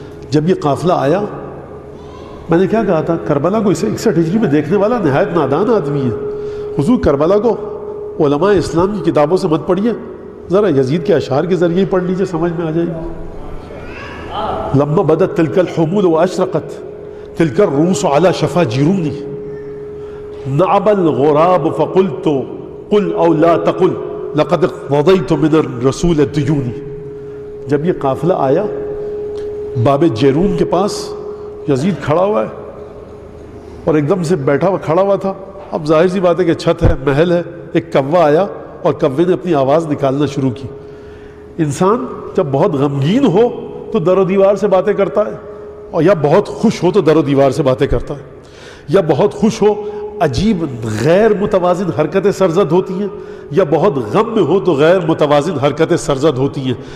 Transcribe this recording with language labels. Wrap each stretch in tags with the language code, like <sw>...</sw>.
<ur>جب یہ قافلہ آیا میں نے کیا کہا تھا، کربلا کو اسے 61 ہجری میں دیکھنے والا نہایت نادان آدمی ہے. حضور کربلا کو علماء اسلام کی کتابوں سے مت پڑھیے، ذرا یزید کے اشعار کے ذریعے ہی پڑھ لیجیے، سمجھ میں آ جائے گی.</ur> <ar>لما بدت تلك الحمود و اشرقت تلك الرموس على شفا جیرونی نعب الغراب فقلت قل او لا تقل لقد رضيت من الرسول الديوني.</ar> <ur>جب یہ قافلہ آیا باب جیرون کے پاس، یزید کھڑا ہوا ہے اور ایک دم سے بیٹھا ہوا کھڑا ہوا تھا. اب ظاہر سی بات ہے کہ چھت ہے، محل ہے. ایک کوا آیا اور کوے نے اپنی آواز نکالنا شروع کی. انسان جب بہت غمگین ہو تو در و دیوار سے باتیں کرتا ہے، اور یا بہت خوش ہو تو در و دیوار سے باتیں کرتا ہے، یا بہت خوش ہو عجیب غیر متوازن حرکتیں سرزد ہوتی ہیں، یا بہت غم میں ہو تو غیر متوازن حرکتیں سرزد ہوتی ہیں.</ur>